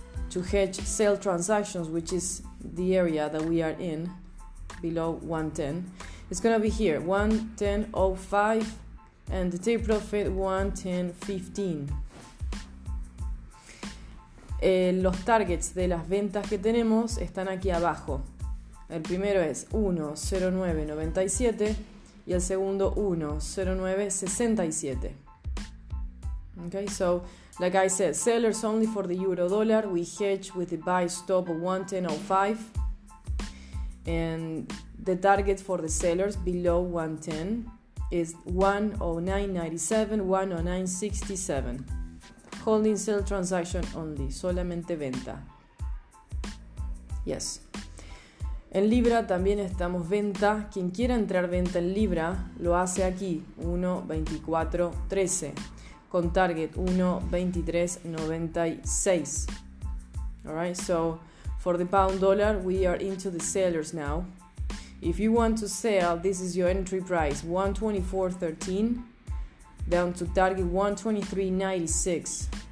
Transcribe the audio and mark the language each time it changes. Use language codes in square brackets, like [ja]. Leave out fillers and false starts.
[en] To hedge sell transactions, which is the area that we are in, below 110. It's going to be here, 110.05, and the take profit 110.15. [es] Los targets de las ventas que tenemos están aquí abajo. El primero es 1.0997 y el segundo 1.0967. [en] Okay, so like I said, sellers only for the euro dollar. We hedge with the buy stop of 110.05 and the target for the sellers below 110 is 1.0997, 1.0967. Holding sell transaction only, [es] solamente venta. [en] Yes. [es] En Libra también estamos venta. Quien quiera entrar venta en Libra lo hace aquí, 1.2413, con target 1.2396. [en] Alright, so for the pound dollar, we are into the sellers now. If you want to sell, this is your entry price, 1.2413, down to target 1.2396.